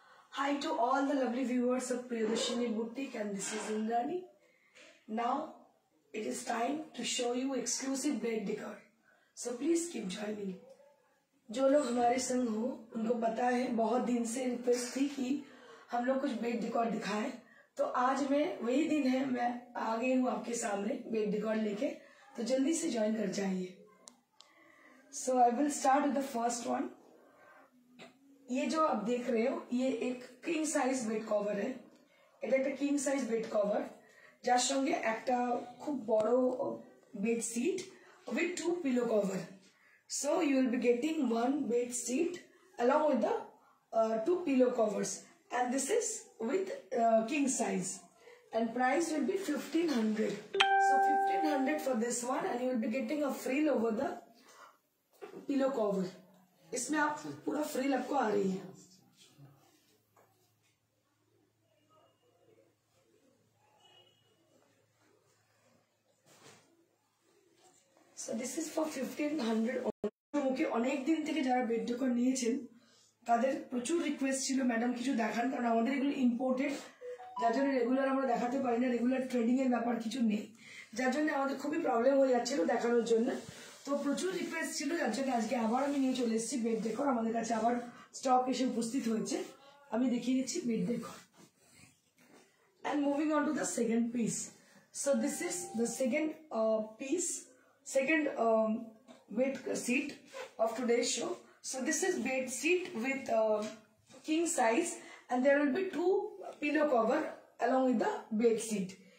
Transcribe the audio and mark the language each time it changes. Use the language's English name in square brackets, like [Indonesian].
[English] Hi to all the lovely viewers of Priyadarshini Boutique, and this is Indrani. Now it is time to show you exclusive bed decor. So please keep joining. [Hindi] जो लोग हमारे संग हो उनको पता है बहुत दिन से रिक्वेस्ट थी कि हम लोग कुछ बेड डिकॉर दिखाए, तो आज मैं वही दिन है, मैं आ गई हूँ आपके सामने बेड डिकॉर लेके, तो जल्दी से ज्वाइन कर जाइए। [English] So I will start with the first one. [Hindi] ये जो आप देख रहे हो ये एक किंग साइज बेड कवर है, king size bed cover [Bangla] jar संगे एक खूब बड़ो bed sheet with two pillow cover. [English] So you will be getting one bed sheet along with the two pillow covers, and this is with king size, and price will be 1500. So 1500 for this one, and you will be getting a frill over the pillow cover. [Hindi] इसमें आप पूरा frill आपको आ रही है। [English] So this is for 1500. [Bangla] Okay, অনেক দিন থেকে যারা বেড ডেকোর নিয়েছেন তাদের প্রচুর রিকোয়েস্ট ছিল ম্যাডাম কিছু দেখান, কারণ আমাদের এগুলো ইম্পোর্টেড, যার জন্য রেগুলার আমরা দেখাতে পারি না, রেগুলার ট্রেডিং এর ব্যাপার কিছু নেই, যার জন্য আমাদের খুবই প্রবলেম হয়ে যাচ্ছিল দেখানোর জন্য। তো প্রচুর রিকোয়েস্ট ছিল, যার জন্য আজকে আবার আমি নিয়ে চলে এসেছি বেড ডেকোর, আমাদের কাছে আবার স্টক এসে উপস্থিত হয়েছে। আমি দেখিয়ে দিচ্ছি bed decor, [English] And moving on to the second piece. So this is the second piece, second bed seat of today's show. So this is bed seat with king size, and there will be two pillow cover along with the bed seat.